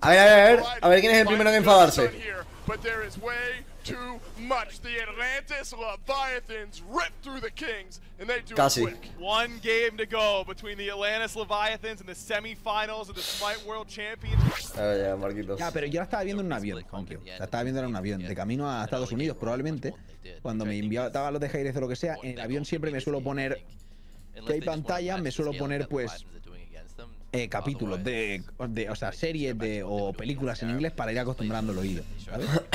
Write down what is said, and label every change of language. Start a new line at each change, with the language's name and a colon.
Spanish: A ver quién es el primero en enfadarse.
English: But there is way too much. The Atlantis Leviathans rip through the Kings, and they do
Spanish: casi.
English: It quick. One game to go between the Atlantis Leviathans and the semifinals of the Smite World Championship.
Spanish: Ya, Marquitos. Ya, pero yo la estaba viendo en un avión, Conkio. La estaba viendo en un avión, de camino a Estados Unidos, probablemente. Cuando me enviaba los de Jairez o lo que sea, en el avión siempre me suelo poner... Que hay pantalla, me suelo poner, pues... capítulos de o sea, series de o películas en inglés para ir acostumbrando el oído, ¿sabes?